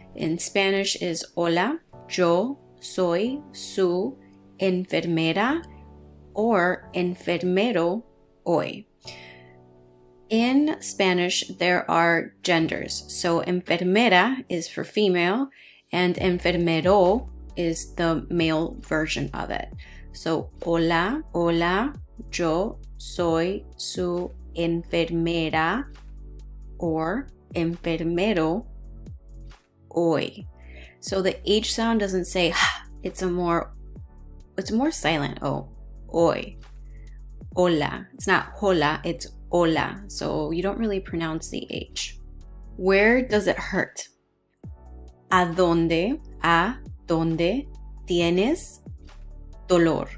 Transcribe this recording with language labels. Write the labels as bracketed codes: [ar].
[en] In Spanish is [es] hola, yo soy su enfermera or enfermero hoy. [en] In Spanish, there are genders. So enfermera is for female and enfermero is the male version of it. [es] So hola, hola, yo soy su enfermera or enfermero hoy. [en] So the H sound doesn't say ha, it's more silent. Oh, hoy. Hola. It's not hola, it's hola. So you don't really pronounce the H. Where does it hurt? [es] A donde tienes dolor.